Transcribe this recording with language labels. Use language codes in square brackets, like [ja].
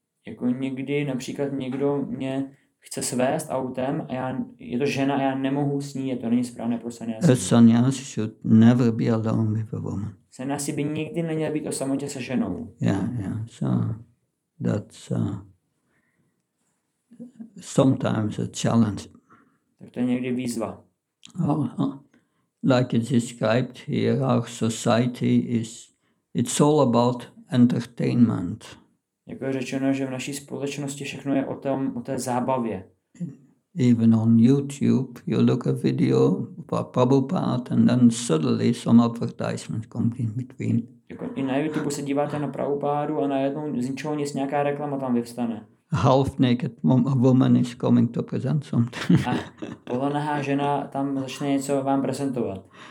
[cs] Jako někdy například někdo mě chce svést autem a já, je to žena a já nemohu s ní, je to není správné pro sanyasi. [en] Sanyasi should never be alone with a woman. [cs] Sanyasi by nikdy neměl být o samotě se ženou. [en] Yeah, yeah. So that's sometimes a challenge. [cs] Tak to je někdy výzva. [en] Oh, like it's described here, our society is, it's all about entertainment. [cs] Jako je řečeno, že v naší společnosti všechno je o tom, o té zábavě. [en] Even on YouTube, you look a video about Prabhupada and then suddenly some advertisement comes in between. [cs] Jako i na YouTube se díváte na Prabhupádu a najednou z ničeho nic nějaká reklama tam vyvstane. [en] Half naked woman is coming to present something. [cs] A polonahá žena tam začne něco vám prezentovat.